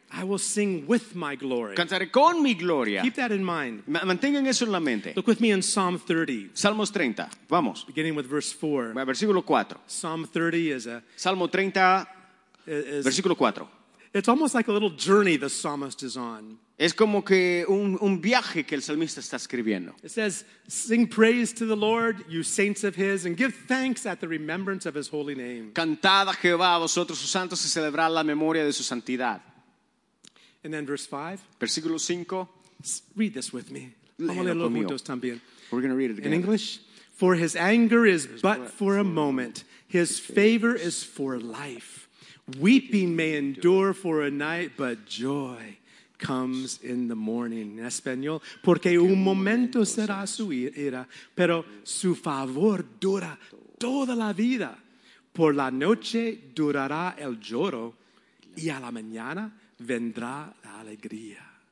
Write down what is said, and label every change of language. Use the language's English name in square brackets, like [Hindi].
[English] I will sing with my glory. [Spanish] Cantaré con mi gloria. [English] Keep that in mind. [Spanish] Mantengan eso en la mente. [English] Look with me in Psalm 30. [Spanish] Salmos 30. Vamos. [English] Beginning with verse 4. [Spanish] Versículo 4. [English] Psalm 30 is a... [Spanish] Salmo 30, versículo 4. [English] It's almost like a little journey the psalmist is on. [Spanish] Es como que un viaje que el salmista está escribiendo. [English] It says, sing praise to the Lord, you saints of his, and give thanks at the remembrance of his holy name. [Spanish] Cantad a Jehová, vosotros sus santos, y celebrad la memoria de su santidad. [English] And then verse 5. [Spanish] Versículo 5. [English] Read this with me. [Spanish] Vamos a leerlo juntos también. [English] We're going to read it again. In English. For his anger is but for a moment. His favor is for life. Weeping may endure for a night, but joy comes in the morning. [Spanish] En español. Porque un momento será su ira, pero su favor dura toda la vida. Por la noche durará el lloro, y a la mañana vendrá la alegría.